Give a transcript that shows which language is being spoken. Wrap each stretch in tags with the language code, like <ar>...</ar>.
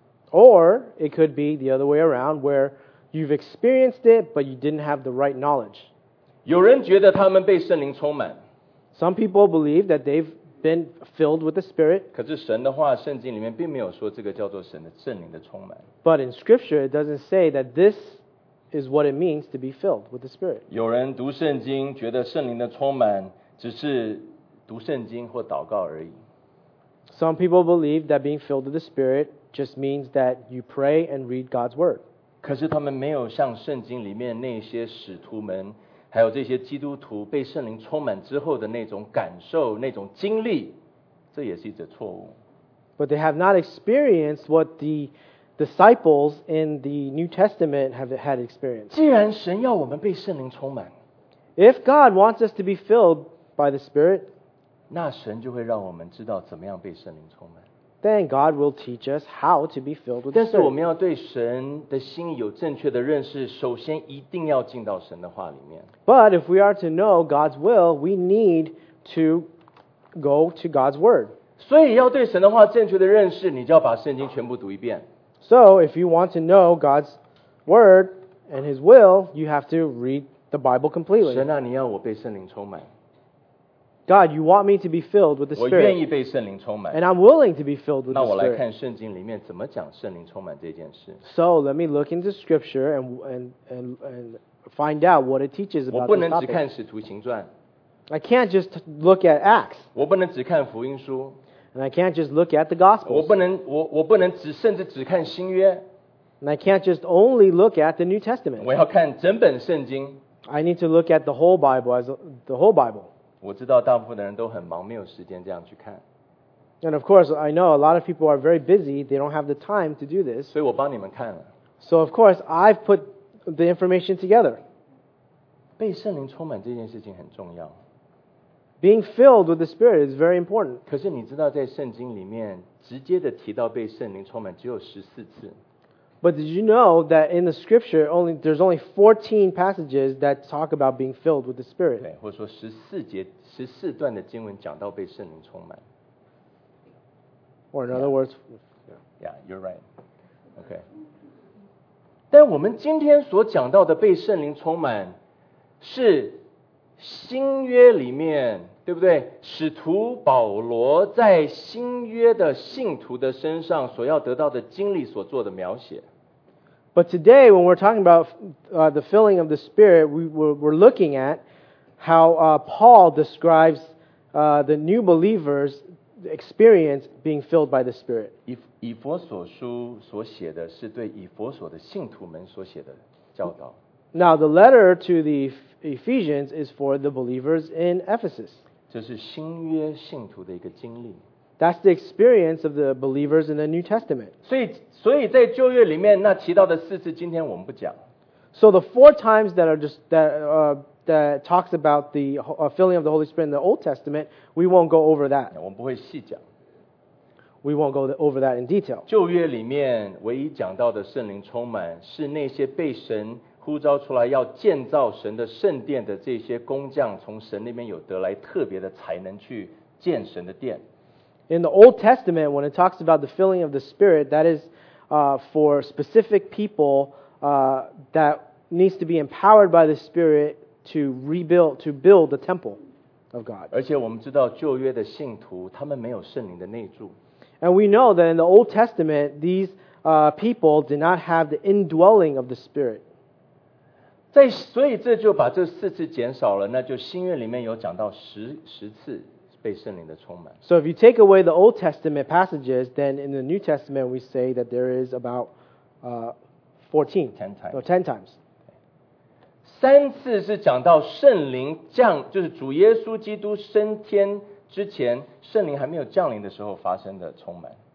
<en>Or it could be the other way around where you've experienced it but you didn't have the right knowledge.</en> <zh>有人觉得他们被圣灵充满。</zh> <en>Some people believe that they've been filled with the Spirit.</en> <zh>可是神的话，圣经里面并没有说这个叫做神的圣灵的充满。</zh> <en>But in Scripture, it doesn't say that this is what it means to be filled with the Spirit.</en> <zh>有人读圣经觉得圣灵的充满只是读圣经或祷告而已。</zh> <en>Some people believe that being filled with the Spirit just means that you pray and read God's Word.</en> <zh>可是他们没有像圣经里面那些使徒们还有这些基督徒被圣灵充满之后的那种感受、那种经历，这也是一则错误。</zh> <en>But they have not experienced what the disciples in the New Testament have had experienced.</en> <zh>既然神要我们被圣灵充满</zh> <en>，If God wants us to be filled by the Spirit，</en> <zh>那神就会让我们知道怎么样被圣灵充满。</zh> <en>Then God will teach us how to be filled with the Spirit.</en> <zh>但是我们要对神的心意有正确的认识，首先一定要进到神的话里面。</zh> <en>But if we are to know God's will, we need to go to God's Word.</en> <zh>所以要对神的话正确的认识，你就要把圣经全部读一遍。</zh> <en>So if you want to know God's Word and His will, you have to read the Bible completely.</en> <zh>神啊，你要我被圣灵充满。</zh> <en>God, you want me to be filled with the Spirit.</en> <zh>我愿意被圣灵充满。</zh> <en>And I'm willing to be filled with the Spirit.</en> <zh>那我来看圣经里面怎么讲圣灵充满这件事。</zh> <en>So let me look into Scripture and find out what it teaches about this topic.</en> <zh>我不能只看使徒行传。</zh> <en>I can't just look at Acts.</en> <zh>我不能只看福音书。</zh> <en>And I can't just look at the Gospels.</en> <zh>我不能甚至只看新约。</zh> <en>And I can't just only look at the New Testament.</en> <zh>我要看整本圣经。</zh> <en>I need to look at the whole Bible.</en> <zh>我知道大部分的人都很忙，没有时间这样去看。</zh> <en>And of course, I know a lot of people are very busy. They don't have the time to do this.</en> <zh>所以我帮你们看了。</zh> <en>So of course, I've put the information together.</en> <zh>被圣灵充满这件事情很重要。</zh> <en>Being filled with the Spirit is very important.</en> <zh>可是你知道在圣经里面直接的提到被圣灵充满只有14次。</zh> <en>But did you know that in the scripture, only, there's only 14 passages that talk about being filled with the Spirit?</en> <zh>对，或者说14段的经文讲到被圣灵充满。</zh> <en>Or in other words, yeah, you're right. Okay.</en> <zh>但我们今天所讲到的被圣灵充满是新约里面，对不对？使徒保罗在新约的信徒的身上所要得到的经历所做的描写。</zh> <en>But today, when we're talking about the filling of the Spirit, we're looking at how Paul describes the new believers' experience being filled by the Spirit.</en> <zh>以弗所书所写的是对以弗所的信徒们所写的教导。</zh> <en>Now, the letter to the Ephesians is for the believers in Ephesus.</en> <zh>这是新约信徒的一个经历。</zh> <en>That's the experience of the believers in the New Testament.</en> <zh>所以在旧约里面那提到的四次，今天我们不讲。</zh> <en>So the four times that are just that talks about the filling of the Holy Spirit in the Old Testament, we won't go over that.</en> <zh>我们不会细讲。</zh> <en>We won't go over that in detail.</en> <zh>旧约里面唯一讲到的圣灵充满，是那些被神呼召出来要建造神的圣殿的这些工匠，从神那边有得来特别的才能去建神的殿。</zh> <en>In the Old Testament, when it talks about the filling of the Spirit, that is for specific people that needs to be empowered by the Spirit to rebuild, to build the temple of God.</en> <zh>而且我们知道旧约的信徒，他们没有圣灵的内住。</zh> <en>And we know that in the Old Testament, these people did not have the indwelling of the Spirit.</en> <zh>所以这就把这四次减少了，那就新约里面有讲到十次。</zh> <en>So if you take away the Old Testament passages, then in the New Testament we say that there is about 10 times.</en> <zh>三次是讲到圣灵降，就是主耶稣基督升天之前，圣灵还没有降临的时候发生的充满。</zh>